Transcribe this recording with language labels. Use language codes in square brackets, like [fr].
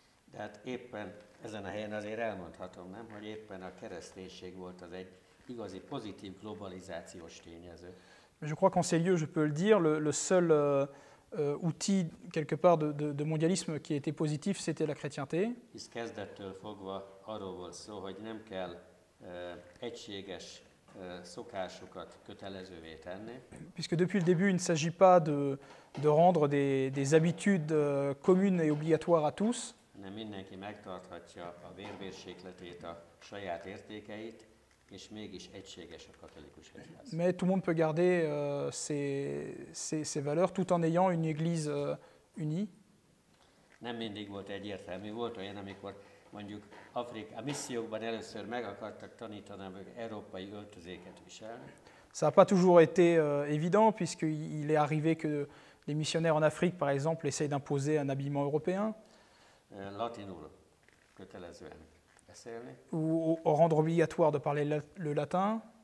[hu] Tehát éppen ezen a helyen azért elmondhatom, nem, hogy éppen a kereszténység volt az egy igazi pozitív globalizációs tényező. [fr] Je crois qu'en ces lieux, je peux le dire, le seul outil quelque part de mondialisme qui était positif, c'était la chrétienté. [hu] Hisz kezdettől fogva arról volt szó, hogy nem kell egységes szokásokat kötelezővé tenni. [fr] Puisque depuis le début, il ne s'agit pas de rendre des habitudes communes et obligatoires à tous. [hu] Nem mindenki megtarthatja a vérmérsékletét, a saját értékeit, és mégis egységes a katolikus egyház. [fr] Mais tout le monde peut garder ses valeurs tout en ayant une église unie. [hu] Nem mindig volt egyértelmű, volt olyan, amikor mondjuk Afrika, a missziókban először meg akartak tanítani, hogy európai öltözéket viselni. [fr] Ça n'a pas toujours été évident, puisqu'il est arrivé que les missionnaires en Afrique, par exemple, essayent d'imposer un habillement européen. [hu] Latinul kötelezően beszélni. [fr] Ou rendre obligatoire de parler le latin.